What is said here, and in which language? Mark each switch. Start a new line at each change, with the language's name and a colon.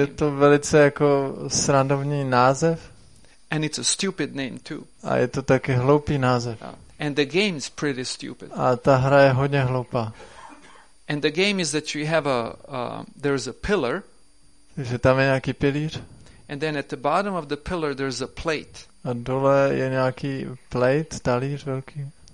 Czech: Je to velice jako srandovní název.
English: And it's a stupid name too.
Czech: A je to taky hloupý název.
English: And the game is pretty stupid.
Czech: A ta hra je hodně hloupá.
English: And the game is that you have there's a pillar.
Czech: Že tam je nějaký pilíř.
English: And then at the bottom of the pillar there's a plate.
Czech: A dole je nějaký plate, talíř velký.